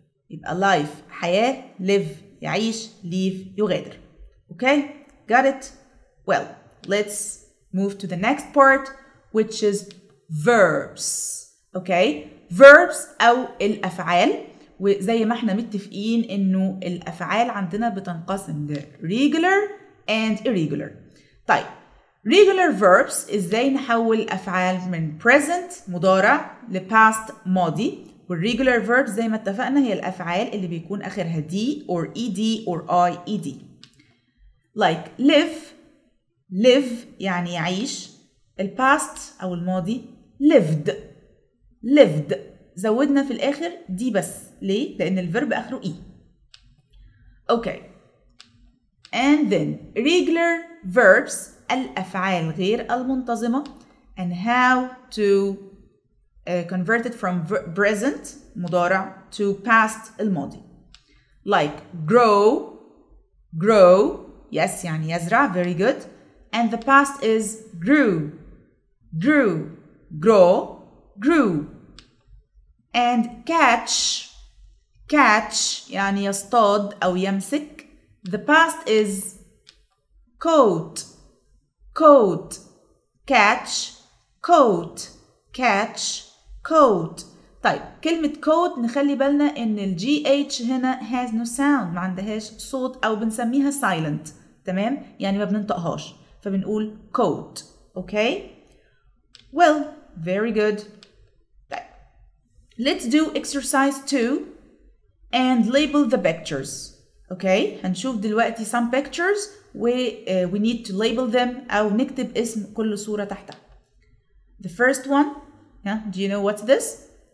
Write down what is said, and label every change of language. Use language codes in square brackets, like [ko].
[ar] يبقى life حياة، live يعيش، leave يغادر. [en] Okay, got it. well let's move to the next part which is verbs. [ar] اوكي، verbs أو الأفعال، وزي ما احنا متفقين إنه الأفعال عندنا بتنقسم [en] regular and irregular. [ar] طيب regular verbs إزاي نحول أفعال من present مضارع ل past ماضي، والregular verbs زي ما اتفقنا هي الأفعال اللي بيكون آخرها d or ed or ied. like live live يعني يعيش، ال past أو الماضي lived lived، زودنا في الآخر دي بس. ليه؟ لأن الفيرب آخره إي. [en] Okay, and then regular verbs الأفعال غير المنتظمة and how to convert it from present مضارع to past الماضي. like grow grow yes [ar] يعني يزرع [en] very good and the past is grew grew grow grew and catch catch [ar] يعني يصطاد أو يمسك [en] the past is caught caught catch caught catch caught. [ar] طيب كلمة caught نخلي بالنا إن ال gh هنا [en] has no sound، [ar] ما عندهاش صوت أو بنسميها silent، تمام، يعني ما بننطقهاش فبنقول caught. [en] okay well very good. Let's do exercise 2 and label the pictures. [ar] Okay, هنشوف دلوقتي [en] some pictures we need to label them [ar] أو نكتب اسم كل صورة تحتها. [en] The first one, yeah, do you know what's this?